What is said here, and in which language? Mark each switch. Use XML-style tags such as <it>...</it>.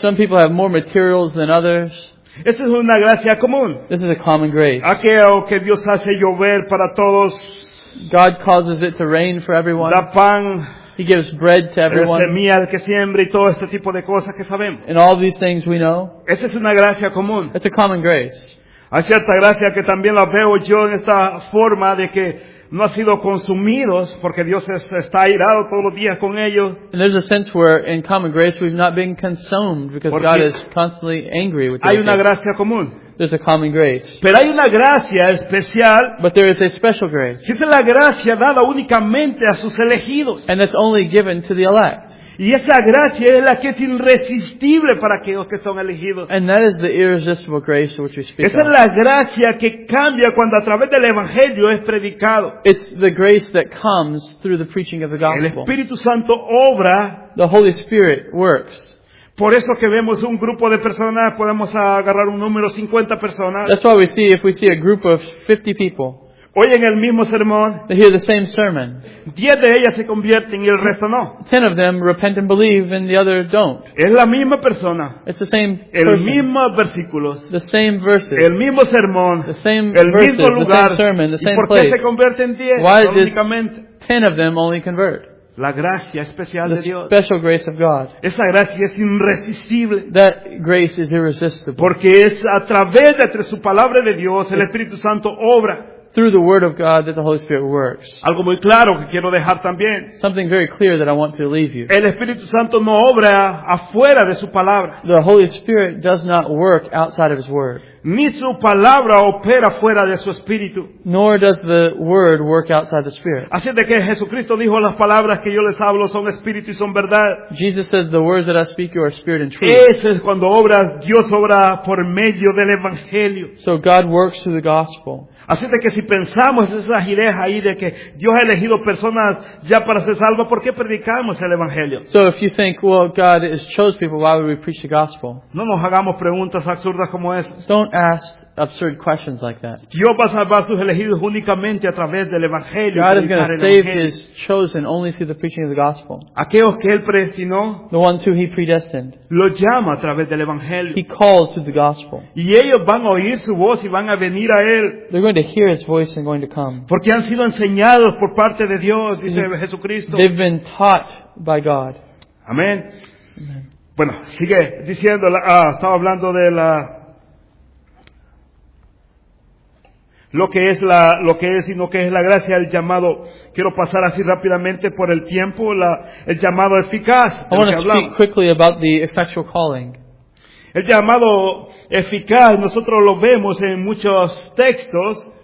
<en>Some people have more materials than others.</en> <es>Esta es una gracia común.</es> <en>This is a common grace.</en> <es>Aquello que Dios hace llover para todos.</es> <en>God causes it to rain for everyone.</en> <es>Da pan.</es> <en>He gives bread to everyone.</en> <es>Semilla al que siembra y todo este tipo de cosas que sabemos.</es> <en>And all these things we know.</en> <es>Esta es una gracia común.</es> <en>It's a common grace.</en> <es>Hay cierta gracia que también la veo yo en esta forma de que no ha sido consumidos porque Dios está airado todos los días con ellos.</es> <en>And there's a sense where in common grace we've not been consumed because</en> <es>porque</es> <en>God is constantly angry with them.</en> <es>Hay una gracia común.</es> <en>There's a common grace.</en> <es>Pero hay una gracia especial.</es> <en>But there is a special grace.</en> <es>Es la gracia dada únicamente a sus elegidos.</es> <en>And it's only given to the elect.</en> <es>Y esa gracia es la que es irresistible para aquellos que son elegidos.</es> <en>And that is the irresistible grace which we speak of.</en> <es>Esa es la gracia que cambia cuando a través del Evangelio es predicado.</es> <en>It's the grace that comes through the preaching of the gospel.</en> <es>El Espíritu Santo obra.</es> <en>The Holy Spirit works.</en> <es>Por eso que vemos un grupo de personas, podemos agarrar un número, 50 personas.</es> <en>That's why we see, if we see a group of 50 people.</en> <es>Hoy en el mismo sermón,</es> <en>they hear the same sermon.</en> <es>10 de ellas se convierten y el resto no.</es> <en>10 of them repent and believe and the other don't.</en> <es>Es la misma persona.</es> <en>It's the same</en> <es>el</es> <en>person.</en> <es>Mismo versículos.</es> <en>The same verses.</en> <es>El mismo sermón.</es> <en>The same</en> <es>el</es> <en>verses,</en> <es>mismo lugar.</es> <en>The same sermon, the same</en> <es>¿Y por qué</es> <en>place?</en> <es>Se convierten 10?</es> <en>Why</en> <es>únicamente?</es> <en>10 of them only convert.</en> <es>La gracia especial</es> <en>the</en> <es>de Dios.</es> <en>The special grace of God.</en> <es>Esa gracia es irresistible.</es> <en>That grace is irresistible.</en> <es>Porque es a través de su palabra de Dios, el Espíritu Santo obra.</es> <en>Through the word of God that the Holy Spirit works.</en> <es>Algo muy claro que quiero dejar también.</es> <en>Something very clear that I want to leave you.</en> <es>El Espíritu Santo no obra afuera de su palabra.</es> <en>The Holy Spirit does not work outside of his word.</en> <es>Ni su palabra opera fuera de su espíritu.</es> <en>Nor does the word work outside the spirit.</en> <es>Así de que Jesucristo dijo las palabras que yo les hablo son espíritu y son verdad.</es> <en>Jesus said the words that I speak you are spirit and truth.</en> <es>Eso es cuando obras, Dios obra por medio del evangelio.</es> <en>So God works through the gospel.</en> <es>Así de que si pensamos esas ideas ahí de que Dios ha elegido personas ya para ser salvo, ¿por qué predicamos el evangelio?</es> <en>So if you think, well, God has chosen people, why would we preach the gospel?</en> <es>No nos hagamos preguntas absurdas como esas.</es> <en>Don't ask absurd questions like that.</en> <es>Dios va a salvar sus elegidos únicamente a través del evangelio.</es> <en>God is going to save his chosen only through the preaching of the gospel.</en> <es>Aquellos que él predestinó,</es> <en>the ones who he predestined,</en> <es>lo llama a través del evangelio.</es> <en>He calls through the gospel.</en> <es>Y ellos van a oír su voz y van a venir a él.</es> <en>They're going to hear his voice and going to come.</en> <es>Porque han sido enseñados por parte de Dios, dice Jesucristo.</es> <en>They've been taught by God. Amen.</en> <es>Bueno, sigue diciendo, estaba hablando de la lo que es y no que es la gracia, el llamado. Quiero pasar así rápidamente por el tiempo, el llamado eficaz.</es> <en>I want to speak quickly about the effectual calling.</en> <es>El llamado eficaz, nosotros lo vemos en muchos textos.</es>